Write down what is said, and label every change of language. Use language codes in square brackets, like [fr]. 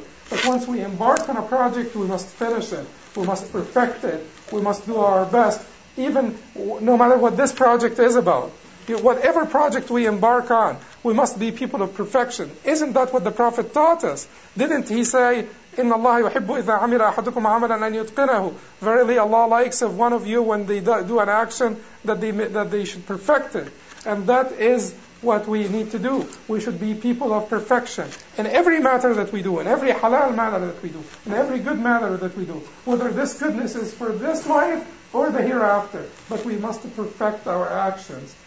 [en] But once we embark on a project, we must finish it. We must perfect it. We must do our best. Even no matter what this project is about. Whatever project we embark on, we must be people of perfection. Isn't that what the Prophet taught us? Didn't he say, [ar] إِنَّ اللَّهَ يُحِبُّ إِذَا عَمِرَ أَحَدُكُمْ عَمَلًا أَنْ يُتْقِنَهُ. [en] Verily Allah likes of one of you when they do an action that they should perfect it. And that is what we need to do. We should be people of perfection. In every matter that we do, in every halal matter that we do, in every good matter that we do, whether this goodness is for this life or the hereafter, but we must perfect our actions.